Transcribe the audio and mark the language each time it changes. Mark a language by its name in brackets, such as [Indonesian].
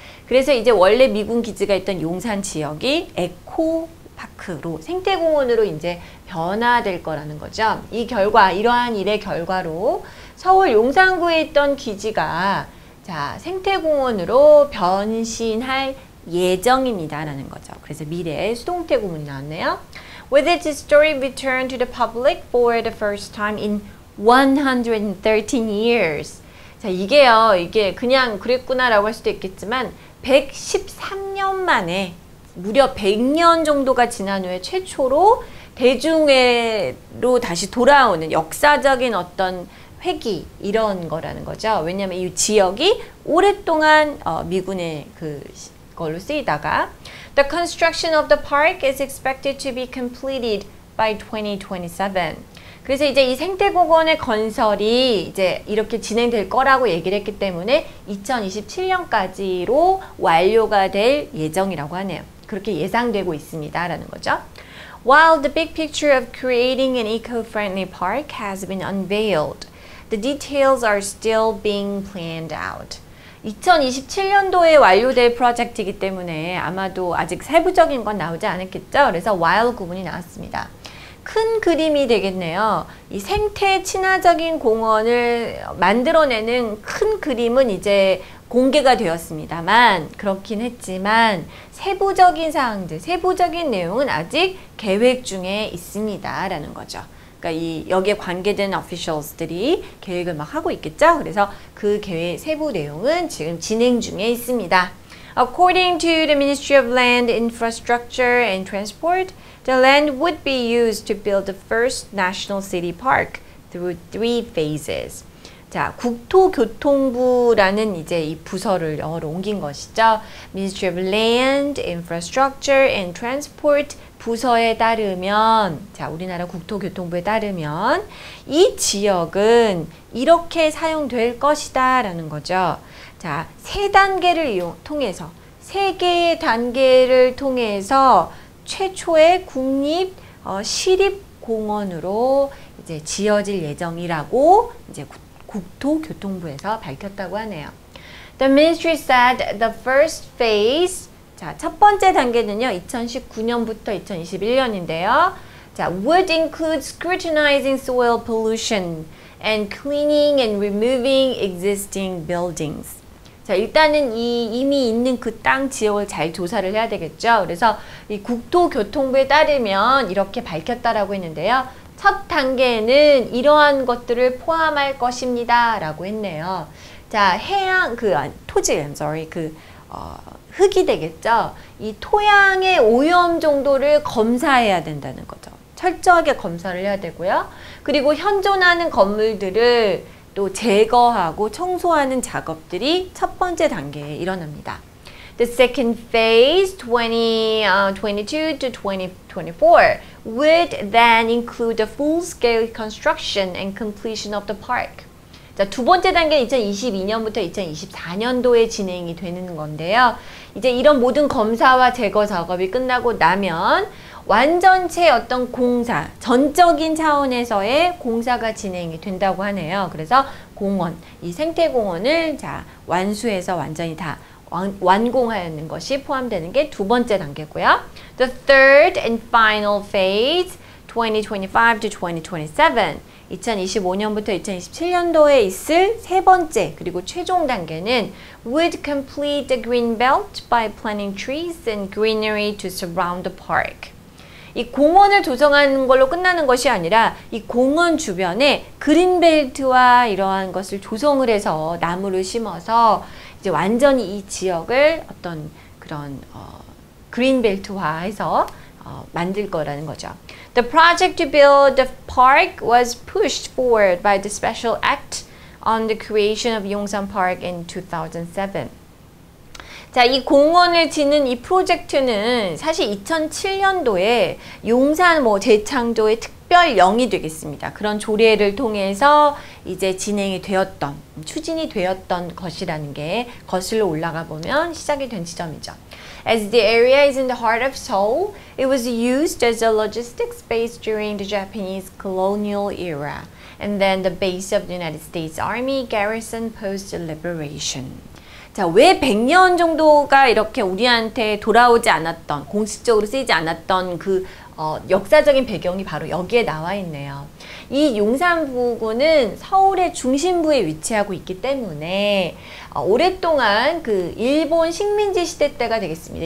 [Korean] 그래서 이제 원래 미군 기지가 있던 용산 지역이 에코 파크로 생태공원으로 이제 변화될 거라는 거죠. 이 결과 이러한 일의 결과로 서울 용산구에 있던 기지가 자, 생태공원으로 변신할 예정입니다라는 거죠. 그래서 미래의 수동태공원 나왔네요. [English] With its story returned to the public for the first time in 113 years. [Korean] 자, 이게요. 이게 그냥 그랬구나라고 할 수도 있겠지만 113년 만에 무려 100년 정도가 지난 후에 최초로 대중회로 다시 돌아오는 역사적인 어떤 회기 이런 거라는 거죠. 왜냐면 이 지역이 오랫동안 미군의 그 걸로 쓰이다가 [English] The construction of the park is expected to be completed by 2027. [Korean] 그래서 이제 이 생태공원의 건설이 이제 이렇게 진행될 거라고 얘기를 했기 때문에 2027년까지로 완료가 될 예정이라고 하네요. 그렇게 예상되고 있습니다라는 거죠. [English] While the big picture of creating an eco-friendly park has been unveiled, the details are still being planned out. [Korean] 2027년도에 완료될 프로젝트이기 때문에 아마도 아직 세부적인 건 나오지 않았겠죠. 그래서 while 구분이 나왔습니다. 큰 그림이 되겠네요. 이 생태 친화적인 공원을 만들어내는 큰 그림은 이제 공개가 되었습니다만 그렇긴 했지만 세부적인 사항들, 세부적인 내용은 아직 계획 중에 있습니다라는 거죠. 그러니까 이 여기에 관계된 officials들이 계획을 막 하고 있겠죠. 그래서 그 계획 세부 내용은 지금 진행 중에 있습니다. [English] According to the Ministry of Land, Infrastructure and Transport, the land would be used to build the first national city park through three phases. [Korean] 자, 국토교통부라는 이제 이 부서를 영어로 옮긴 것이죠. Ministry of Land, Infrastructure and Transport 부서에 따르면, 자, 우리나라 국토교통부에 따르면, 이 지역은 이렇게 사용될 것이다 라는 거죠. 자, 세 단계를 통해서, 세 개의 단계를 통해서 최초의 국립 시립공원으로 이제 지어질 예정이라고 이제 국토교통부에서 밝혔다고 하네요. [English] The ministry said the first phase, [Korean] 자, 첫 번째 단계는요, 2019년부터 2021년인데요. [English] 자, would include scrutinizing soil pollution and cleaning and removing existing buildings. [Korean] 자, 일단은 이 이미 있는 그 땅 지역을 잘 조사를 해야 되겠죠. 그래서 이 국토교통부에 따르면 이렇게 밝혔다라고 했는데요. 첫 단계는 이러한 것들을 포함할 것입니다라고 했네요. 자, 해양 그 토질, [English] I'm sorry. [Korean] 그 흙이 되겠죠. 이 토양의 오염 정도를 검사해야 된다는 거죠. 철저하게 검사를 해야 되고요. 그리고 현존하는 건물들을 또 제거하고 청소하는 작업들이 첫 번째 단계에 일어납니다. [English] The second phase 2022 to 2024 would then include the full-scale construction and completion of the park. [Korean] 자, 두 번째 단계는 2022년부터 2024년도에 진행이 되는 건데요. 이제 이런 모든 검사와 제거 작업이 끝나고 나면 완전체 어떤 공사, 전적인 차원에서의 공사가 진행이 된다고 하네요. 그래서 공원, 이 생태공원을 자, 완수해서 완전히 다 완공하는 것이 포함되는 게 두 번째 단계고요. [English] The third and final phase, 2025 to 2027, [Korean] 2025년부터 2027년도에 있을 세 번째 그리고 최종 단계는 [English] would complete the green belt by planting trees and greenery to surround the park. [Korean] 이 공원을 조성하는 걸로 끝나는 것이 아니라 이 공원 주변에 그린벨트와 이러한 것을 조성을 해서 나무를 심어서 이제 완전히 이 지역을 어떤 그런 그린벨트화해서 만들 거라는 거죠. [English] The project to build the park was pushed forward by the Special Act on the creation of Yongsan Park in 2007. [Korean] 자, 이 공원을 짓는 이 프로젝트는 사실 2007년도에 용산 뭐 재창조의 특별 영이 되겠습니다. 그런 조례를 통해서 이제 진행이 되었던, 추진이 되었던 것이라는 게 거슬러 올라가 보면 시작이 된 지점이죠. [English] As the area is in the heart of Seoul, it was used as a logistics base during the Japanese colonial era, and then the base of the United States Army garrison post liberation. [Korean] 자, 왜 100년 정도가 이렇게 우리한테 돌아오지 않았던, 공식적으로 쓰이지 않았던 그 역사적인 배경이 바로 여기에 나와 있네요. 이 용산부구는 서울의 중심부에 위치하고 있기 때문에 오랫동안 그 일본 식민지 시대 때가 되겠습니다.